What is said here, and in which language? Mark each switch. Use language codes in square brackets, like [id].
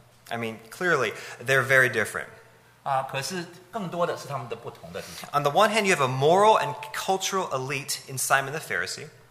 [en] I mean, clearly, they're very different. [zh] 可是更多的是他们的不同的地方。 [en] On the one hand, you have a moral and cultural elite in Simon the Pharisee.